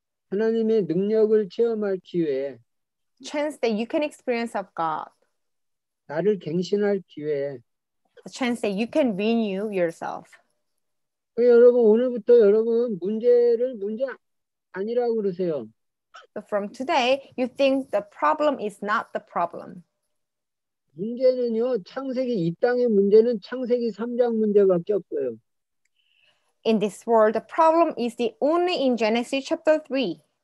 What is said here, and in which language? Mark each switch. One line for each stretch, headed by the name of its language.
Korean: 하나님의 능력을 체험할 기회.
English: Chance that you can experience of God.
Korean: 나를 갱신할 기회.
English: A chance that you can renew yourself.
Korean: 여러분 오늘부터 여러분 문제를 문제 아니라고 그러세요.
English: So from today, you think the problem is not the problem.
Korean: 문제는요, 창세기 이 땅의 문제는 창세기 3장 문제밖에 없어요.
English: In this world, the problem is the only in Genesis chapter 3.